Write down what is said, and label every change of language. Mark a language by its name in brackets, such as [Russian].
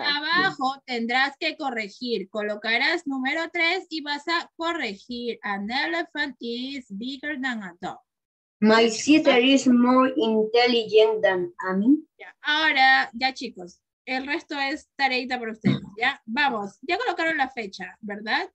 [Spanish] Abajo tendrás que corregir. Colocarás número 3 y vas a corregir. [English] An elephant is bigger than a dog. My sister is more intelligent than me. [Spanish] Ahora, ya chicos. El resto es tareita para ustedes, ¿ya? Vamos, ya colocaron la fecha, ¿verdad?